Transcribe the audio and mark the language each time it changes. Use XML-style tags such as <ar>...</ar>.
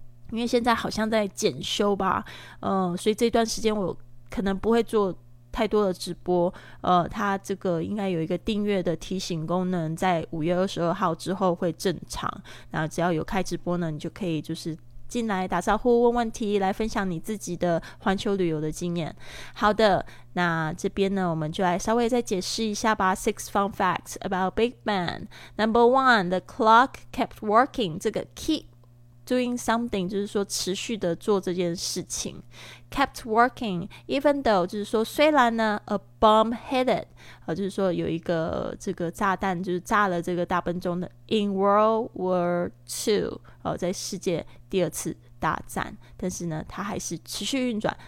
<zh>因为现在好像在检修吧，所以这段时间我可能不会做太多的直播，它这个应该有一个订阅的提醒功能，在5月22号之后会正常，然后只要有开直播呢，你就可以就是进来打招呼，问问题，来分享你自己的环球旅游的经验。好的，那这边呢我们就来稍微再解释一下吧。</zh> <en>6 fun facts about Big Ben. Number 1, the clock kept working.</en> <zh>这个</zh> <en>keep doing something</en> <zh>就是说持续的做这件事情。</zh> <en>Kept working, even though,</en> <zh>就是说虽然呢</zh> <en>a bomb hit it,</en> <zh>就是说有一个这个炸弹就是炸了这个大笨钟的</zh> <en>in World War II,</en> <zh>在世界第二次大战，但是呢它还是持续运转。</zh>